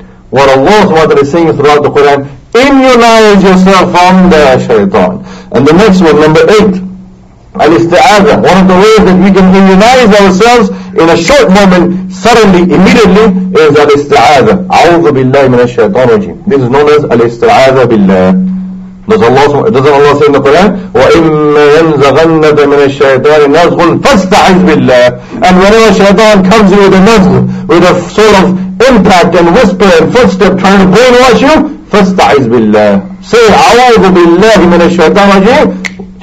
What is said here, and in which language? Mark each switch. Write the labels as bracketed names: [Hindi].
[English] What Allah subhanahu wa ta'ala is saying throughout the Quran, immunize yourself from the shaitan. And the next one, number 8, al-ista'adha. One of the ways that we can immunize ourselves in a short moment, suddenly, immediately, is al-ista'adha. A'udhu billahi min ash-shaytan rajim. This is known as al-ista'adha billah. Doesn't Allah say in the Quran, [Arabic] وَإِمَّا يَنْزَغَنَّكَ مِنَ الشَّيْطَانِ نَزْغٌ فَاسْتَعِذْ بِاللَّهِ. [English] And whenever shaitan comes in with a nazg, with a sort of impact and whisper and footstep trying to brainwash you, [Arabic] فَاسْتَعِذْ بِاللَّهِ. [English] Say, [Arabic] أَعُوذُ بِاللَّهِ مِنَ الشَّيْطَانِ رَجِيمٍ.